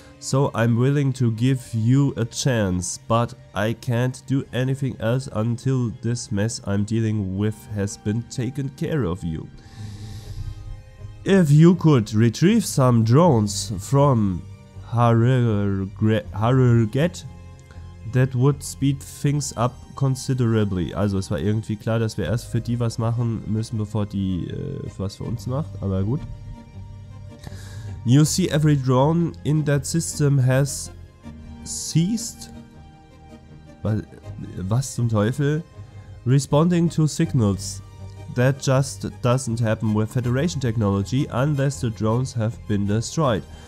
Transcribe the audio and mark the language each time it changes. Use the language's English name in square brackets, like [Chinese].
[English] So I'm willing to give you a chance, but I can't do anything else until this mess I'm dealing with has been taken care of you. If you could retrieve some drones from Harurget, that would speed things up considerably. [German] Also es war irgendwie klar, dass wir erst für die was machen müssen, bevor die was für uns macht, aber gut. [English] You see, every drone in that system has ceased. [German] Was zum Teufel? [English] Responding to signals. That just doesn't happen with Federation technology unless the drones have been destroyed.